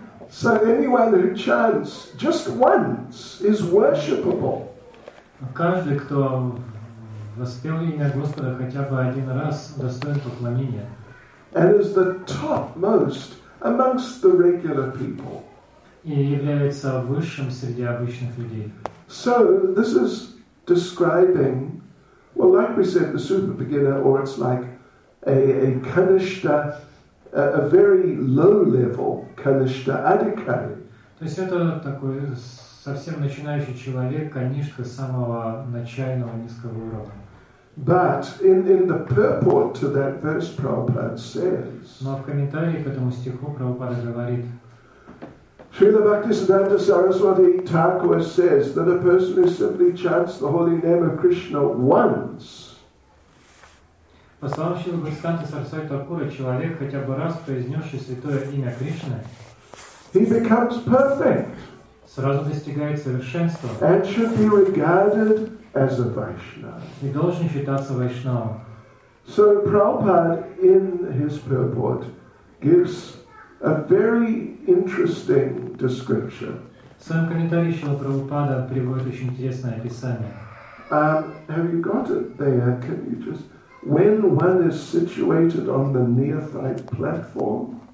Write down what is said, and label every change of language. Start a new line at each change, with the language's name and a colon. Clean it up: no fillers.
English: So anyone who chants just once is worshipable.
Russian: Каждый, кто воспел имя Господа хотя бы один раз, достоин поклонения.
English: And is the topmost amongst the regular people.
Russian: И является высшим среди обычных людей.
English: So this is describing, well, like we said, the super beginner, or it's like a kanishta, a very low level kanishta adhikari.
Russian: То есть это такой совсем начинающий человек, конечно, самого начального низкого уровня.
English: But in the purport to that verse, Prabhupada says.
Russian: Но в комментарии к этому стиху Прабхупада говорит.
English: Śrīla Bhaktisiddhanta Saraswati Thakura says that a person who simply chants the holy name of Krishna once.
Russian: По словам Śrīla Bhaktisiddhanta Saraswati Thakura, человек хотя бы раз произнесший святое имя Кришны.
English: He becomes perfect.
Russian: Сразу достигает совершенства.
English: And should be regarded as a Vaishnava.
Russian: И должен считаться Вайшнавом.
English: So Prabhupada in his purport gives a very interesting description.
Russian: В своем комментарии Шрила Прабхупада приводит очень интересное описание.
English: Have you got it there? Can you just when one is situated on the neophyte platform?